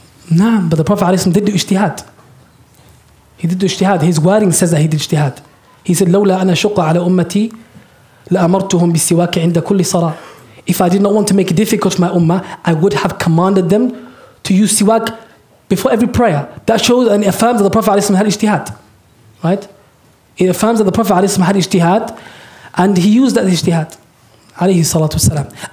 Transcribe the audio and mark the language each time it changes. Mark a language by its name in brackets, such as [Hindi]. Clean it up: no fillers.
[English] Nah, but the Prophet alayhi salam did do ijtihad. He did do ijtihad. His wording says that he did ijtihad. He said, [Arabic] لولا أنا شق على أمتي لأمرتهم بالسواك عند كل صلاة. [English] If I did not want to make it difficult for my ummah, I would have commanded them to use siwak before every prayer. That shows and affirms that the Prophet ﷺ had ijtihad. Right? It affirms that the Prophet ﷺ had ijtihad and he used that ijtihad. [Arabic] عليه الصلاة والسلام.